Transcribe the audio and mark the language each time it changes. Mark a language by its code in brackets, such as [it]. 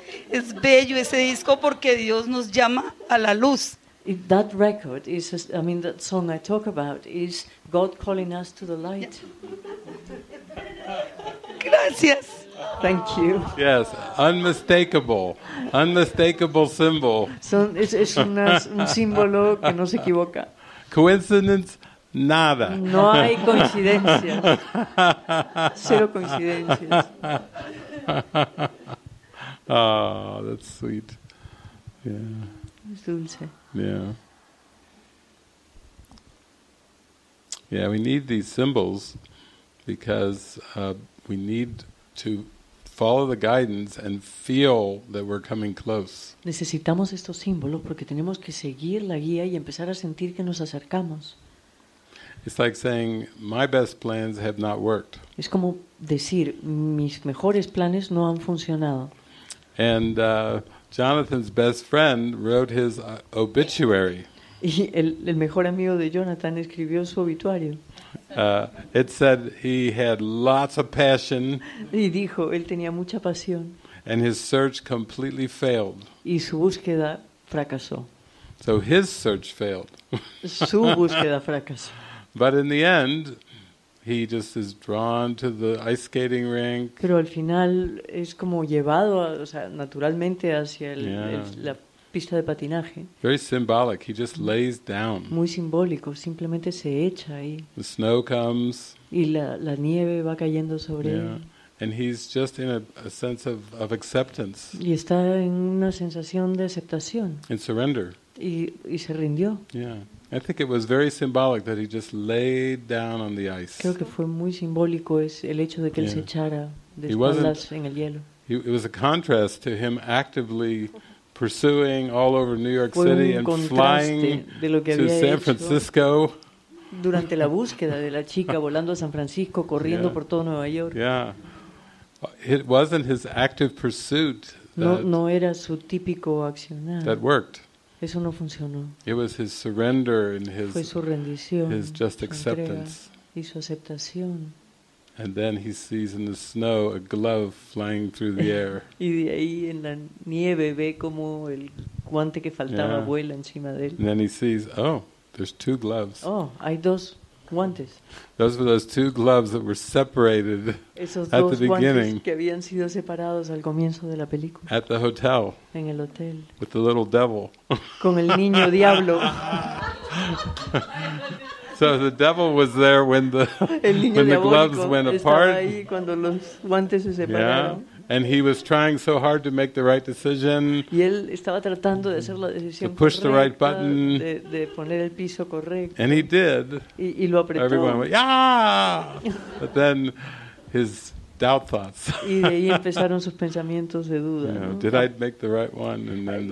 [es] Es bello ese disco porque Dios nos llama a la luz. [en] If that record is, I mean, that song I talk about is God calling us to the light. [es] Gracias. [en] Thank you. Yes, unmistakable symbol. [es] So es un símbolo que no se equivoca. [en] Coincidence? [es] Nada. No hay coincidencia. Cero coincidencias. [en] Oh, that's sweet. Yeah. [es] Es dulce. [en] Yeah. Yeah, we need these symbols because we need to follow the guidance and feel that we're coming close. [es] Necesitamos estos símbolos porque tenemos que seguir la guía y empezar a sentir que nos acercamos. [en] It's like saying my best plans have not worked. [es] Es como decir mis mejores planes no han funcionado. [en] And Jonathan's best friend wrote his obituary. [es] Y el mejor amigo de Jonathan escribió su obituario. [en] It said he had lots of passion. [es] Y dijo, él tenía mucha pasión. [en] And his search completely failed. [es] Y su búsqueda fracasó. [en] So his search failed. [es] Su búsqueda fracasó. [en] But in the end, he just is drawn to the ice skating rink. [es] Pero al final es como llevado, o sea, naturalmente hacia la pista de patinaje. [en] Very symbolic. He just lays down. [es] Muy simbólico. Simplemente se echa ahí. [en] The snow comes. [es] Y la nieve va cayendo sobre él. [en] And he's just in a sense of acceptance. [es] Y está en una sensación de aceptación. [en] And surrender. [es] Y se rindió. [en] Yeah. I think it was very symbolic that he just laid down on the ice. [es] Creo que fue muy simbólico es el hecho de que él se echara de espaldas en el hielo. [en] It was a contrast to him actively pursuing all over New York City and flying to San Francisco. [es] Durante la búsqueda de la chica volando a San Francisco, corriendo por todo Nueva York. [en] Yeah. It wasn't his active pursuit [es] no era su típico accionar. [en] That worked. [es] Eso no funcionó. [en] It was his surrender and his [es] fue su rendición, [en] his just acceptance. [es] Entrega y su aceptación. [en] And then he sees in the snow a glove flying through the air. [es] Y de ahí en la nieve ve como el guante que faltaba vuela encima de él. [en] And then he sees, oh, there's two gloves. [es] Oh, hay dos guantes. [en] Those were those two gloves that were separated [es] esos [en] at the beginning. [es] Esos dos guantes que habían sido separados al comienzo de la película. [en] At the hotel. [es] En el hotel. [en] With the little devil. [es] Con el niño diablo. [en] So the devil was there when the [es] el niño [en] when the gloves went apart. [es] Estaba ahí cuando los guantes se separaron. [en] Yeah. And he was trying so hard to make the right decision. [es] Y él estaba tratando de hacer la decisión correcta. [en] To push the right button. [es] De poner el piso correcto. [en] And he did. [es] Y lo apretó. [en] Everyone went, But then his doubt thoughts. [es] Y de ahí empezaron sus pensamientos de duda. [en] You know, [es] ¿no? [en] Did I make the right one? And then